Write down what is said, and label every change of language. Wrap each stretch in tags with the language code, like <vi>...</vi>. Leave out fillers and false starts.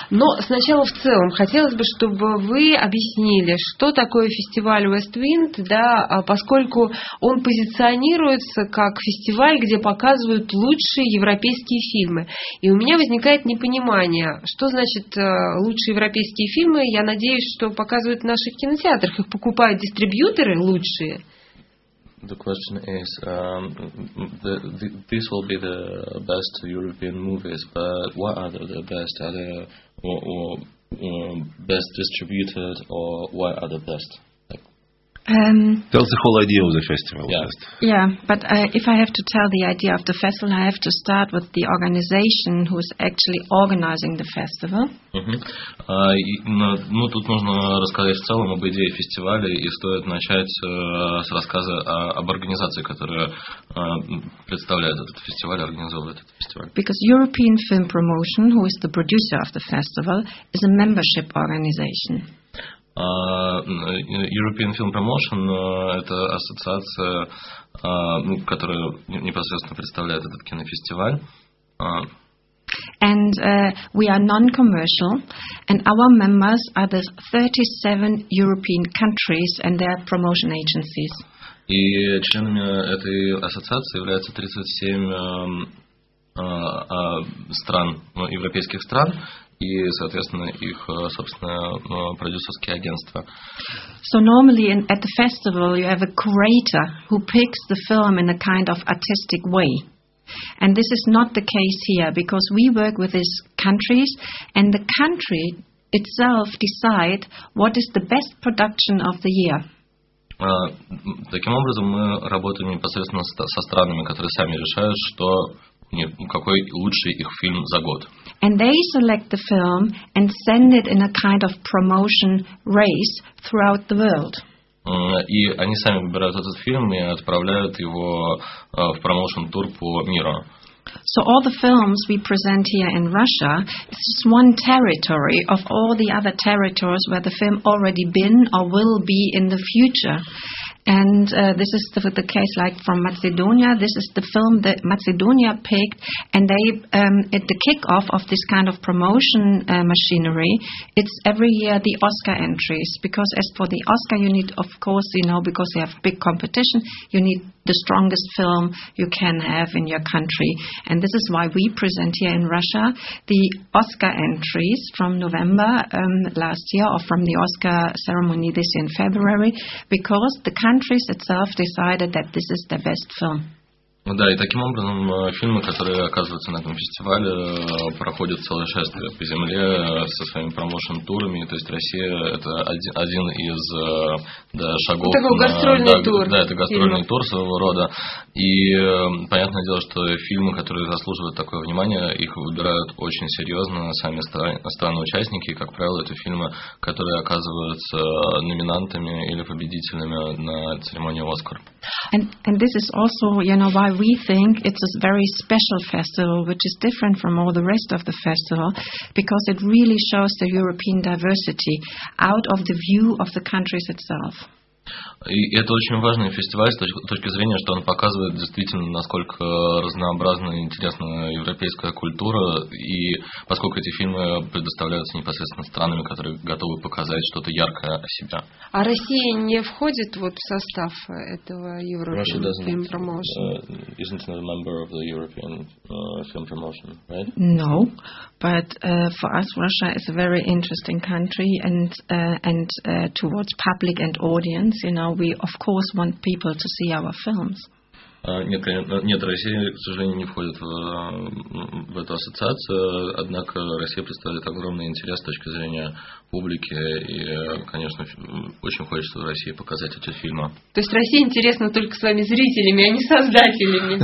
<ru>Но сначала в целом хотелось бы, чтобы вы объяснили, что такое фестиваль West Wind, да, поскольку он позиционируется как фестиваль, где показывают лучшие европейские фильмы. И у меня возникает непонимание, что значит лучшие европейские фильмы. Я надеюсь, что показывают в наших кинотеатрах, их покупают дистрибьюторы лучшие.</ru> <en>The question is, this will be the best European movies, but what are the best? Are they best distributed, or what are the best? Tell the whole idea of the festival. Yeah, but if I have to tell the idea of the festival, I have to start with the organization who is actually organizing the festival.</en> <ru>Ну, тут нужно рассказать в целом об идее фестиваля, и стоит начать с рассказа об организации, которая представляет этот фестиваль, организовывает этот фестиваль.</ru> <en>Because European Film Promotion, who is the producer of the festival, is a membership organization.</en> <ru>European Film Promotion это ассоциация, которая непосредственно представляет этот кинофестиваль.</ru> <en>And we are non-commercial, and our members are the 37 European countries and their promotion agencies.</en> <ru>И членами этой ассоциации являются 37 стран, европейских стран. И, соответственно, их собственное продюсерские агентства.</ru> <en>So normally at the festival you have a curator who picks the film in a kind of artistic way. And this is not the case here because we work with these countries and the country itself decide what is the best production of the year.</en> <ru>Таким образом, мы работаем непосредственно со странами, которые сами решают, что какой лучший их фильм за год.</ru> <en>And they select the film and send it in a kind of promotion race throughout the world.</en> <ru>И они сами выбирают этот фильм и отправляют его в промоушен-тур по миру.</ru> <en>So all the films we present here in Russia, it's just one territory of all the other territories where the film already been or will be in the future. And this is the case, like from Macedonia. This is the film that Macedonia picked, and they at the kickoff of this kind of promotion machinery, it's every year the Oscar entries. Because as for the Oscar, you need, of course, you know, because they have big competition, you need the strongest film you can have in your country. And this is why we present here in Russia the Oscar entries from November last year, or from the Oscar ceremony this year in February, because the countries itself decided that this is the best film.</en> <ru>Да, и таким образом фильмы, которые оказываются на этом фестивале, проходят целое шествие по земле со своими промоушен-турами. То есть Россия – это один из шагов. Такой гастрольный тур. Да, это гастрольный тур своего рода. И понятное дело, что фильмы, которые заслуживают такое внимание, их выбирают очень серьезно сами страны-участники. Как правило, это фильмы, которые оказываются номинантами или победителями на церемонии «Оскар».</ru> <en>And this is also, you know, why we think it's a very special festival, which is different from all the rest of the festival, because it really shows the European diversity out of the view of the countries itself.</en> <ru>И это очень важный фестиваль с точки зрения, что он показывает действительно, насколько разнообразна и интересна европейская культура, и поскольку эти фильмы предоставляются непосредственно странами, которые готовы показать что-то яркое о себе. А Россия не входит вот в состав этого European Film Promotion?</ru> <en>Isn't it a member of the European Film Promotion, right? No, but for us Russia is a very interesting country and towards public and audience. You know, we of course want people to see our films.</en> <ru>Нет, Россия, к сожалению, не входит в эту ассоциацию. Однако Россия представляет огромный интерес с точки зрения публики, и, конечно, очень хочется в России показать эти фильмы. То есть Россия интересна только своими зрителями, а не создателями.</ru>